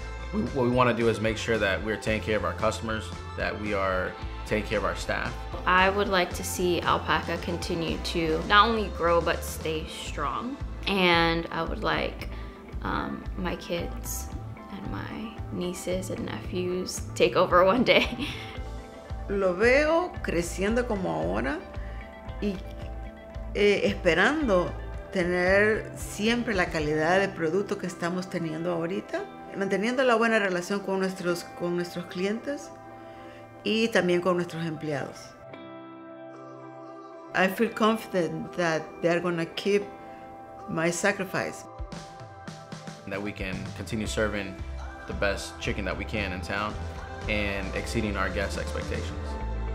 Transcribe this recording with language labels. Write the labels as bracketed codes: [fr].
[en] What we want to do is make sure that we're taking care of our customers, that we are taking care of our staff. I would like to see Alpaca continue to not only grow, but stay strong. And I would like my kids and my nieces and nephews take over one day. [es] Lo veo creciendo como ahora y esperando tener siempre la calidad de producto que estamos teniendo ahorita, manteniendo la buena relación con nuestros clientes y también con nuestros empleados. [en] I feel confident that they're gonna keep my sacrifice. That we can continue serving the best chicken that we can in town and exceeding our guests' expectations.